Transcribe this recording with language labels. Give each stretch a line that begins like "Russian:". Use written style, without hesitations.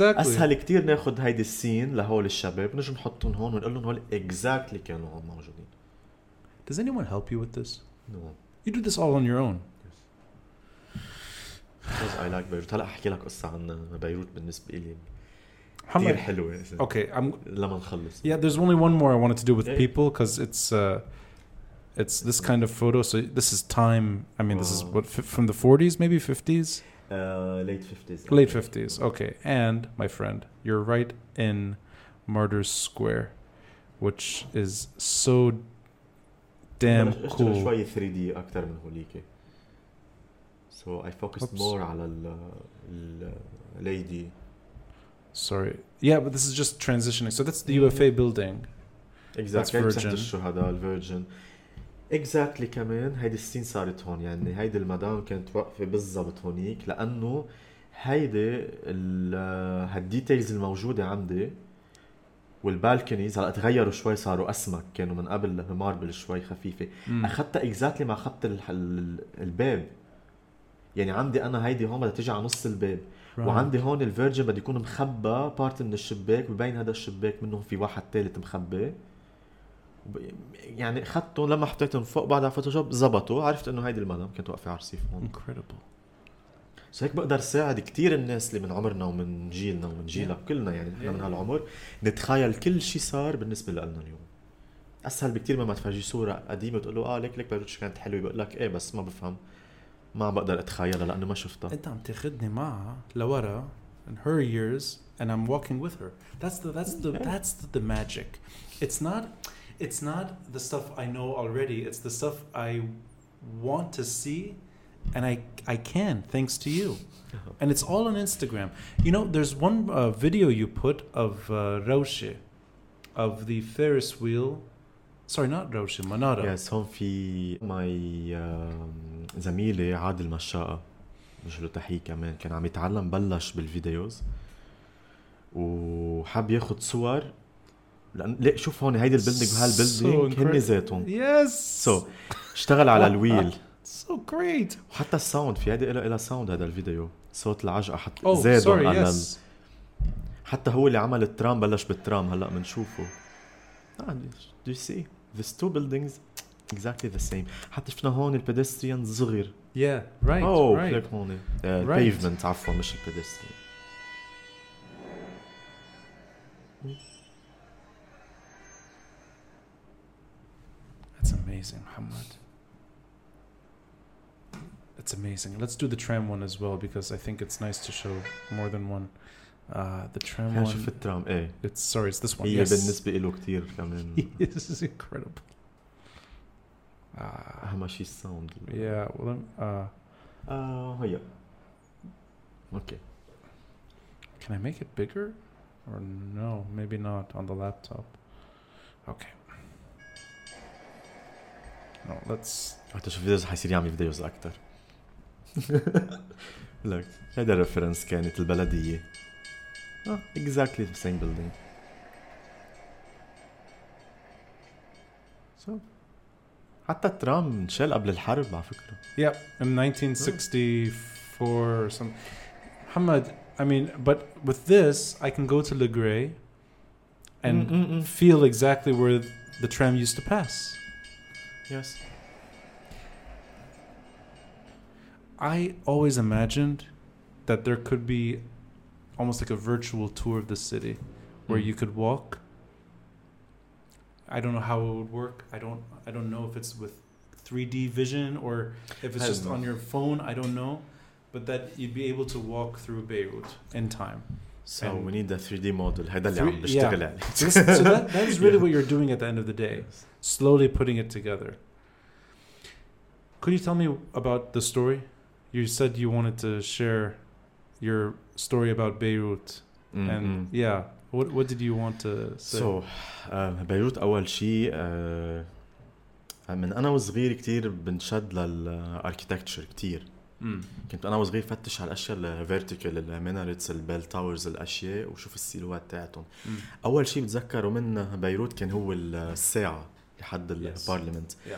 Arabic: أسهل كتير نأخذ هاي السين لهول الشباب نجي نحطهم هون ونقول لهم هول
English: exactly
Arabic: كانوا هم موجودين.
English: Does anyone help you with this? No. You do this all on your own. Yes. Because I like Beirut.
Arabic: هلا احكي لك قصة عن بيروت بالنسبة لي. كثير حلوة.
English: Okay, I'm
Arabic: لما نخلص.
English: Yeah, there's only one more I wanted to do with people because it's this kind of photo. So this is time. I mean, this is what from the 40s, maybe 50s. Late 50s. Late 50s. Okay, and my friend, you're right in Martyrs Square, which is so damn cool.
Arabic: شوي 3D أكتر من هوليك.
English: So I focused more
Arabic: على ال lady.
English: Sorry. Yeah, but this is just transitioning. So that's the UFA building. Exactly. That's Virgin. الشهداء Virgin. Exactly.
Arabic: كمان هيدي السين صارت هون. يعني هيدي المدام كانت واقفة بالضبط هونيك لأنه هيدي هالديتيلز الموجودة عندي والبالكونيز هلا تغيروا شوي صاروا اسمك كانوا من قبل مماربل شوي خفيفة اخذتها اكزاكتلي مع خط الباب يعني عندي انا هيدي هون بدها تيجي على نص الباب
English: right.
Arabic: وعندي هون الفيرجن بده يكون مخبى بارت من الشباك وبين هذا الشباك منه في واحد ثالث مخبى يعني اخذتهم لما حطيتهم فوق بعد على فوتوشوب زبطوا عرفت انه هيدي المدام كانت واقفة على رصيف هون
English: Incredible.
Arabic: So هيك بقدر ساعد كتير الناس اللي من عمرنا ومن جيلنا ومن جيلك yeah. كلنا يعني yeah. من هالعمر نتخيل كل شيء صار بالنسبة لنا اليوم أسهل بكتير مما تفاجي صورة قديمة وتقول له آه ليك بيروتش كانت حلوة بقول لك إيه بس ما بفهم ما بقدر أتخيلها لأنه ما شفتها أنت عم تاخدني معها لورا
English: in her years and I'm walking with her that's the magic it's not the stuff I know already it's the stuff I want to see And I can, thanks to you. And it's all on Instagram. You know, there's one video you put of Roshi, of the Ferris wheel. Sorry, not Roshi, Manara.
Arabic: Yes, هون في my زميلي عادل مشاء. بشلو تحيي كمان. كان عم يتعلم بلش بالفيديوز. وحاب ياخد صور. ليه شوف هون هيدي البلدنج وهالبلدنج هني زيتون.
English: Yes.
Arabic: So, اشتغل على الويل.
English: So great.
Arabic: حتى الساوند في هذا إلى ساوند هذا الفيديو صوت العجقة حتى oh, زاد على yes. ال... حتى هو اللي عمل الترام بلش بالترام هلا منشوفه.
English: Do you see these two buildings exactly the same.
Arabic: حتى شفنا هون البيدستريان صغير.
English: Yeah right. Oh right.
Arabic: لك هون pavement عفوا مش البيدستريان.
English: That's amazing, Mohamad. It's amazing. Let's do the tram one as well because I think it's nice to show more than one. The tram one.
Arabic: شوف الترام إيه.
English: It's sorry, it's this one.
Arabic: هي بالنسبة إله كتير كمان.
English: This is incredible. How much is sound? Yeah. Well. Okay. Can I make it bigger? Or no? Maybe not on the laptop. Okay. No. Let's.
Arabic: حتى شوف فيديوز حيصير يعمل فيديوز أكتر.
English: Look,
Arabic: هيدا الرفرنس كانت البلدية.
English: Exactly the same building.
Arabic: So, حتى الترام انشال قبل الحرب على فكرة.
English: Yep, in 1964 or something. Mohamad, I mean, but with this, I can go to Le Grey and feel exactly where the tram used to pass. Yes. I always imagined that there could be almost like a virtual tour of the city where you could walk. I don't know how it would work. I don't know if it's with 3D vision or if it's just on your phone. I don't know. But that you'd be able to walk through Beirut in time. So and we need a 3D model.
Arabic: هذا اللي عم بشتغل عليه.
English: So that is really what you're doing at the end of the day. Yes. Slowly putting it together. Could you tell me about the story? You said you wanted to share your story about Beirut. Mm-hmm. And yeah, what did you want to say?
Arabic: So, Beirut, أول شيء, من أنا وصغير كتير بنشد للأركيتكتشر كتير. كنت أنا وصغير فتش على الأشياء الفيرتيكال, المينارتس, البيل تاورز, الأشياء وشوف السيلوات تاعتهم. أول شيء بتذكره من بيروت كان هو الساعة لحد البارلمنت.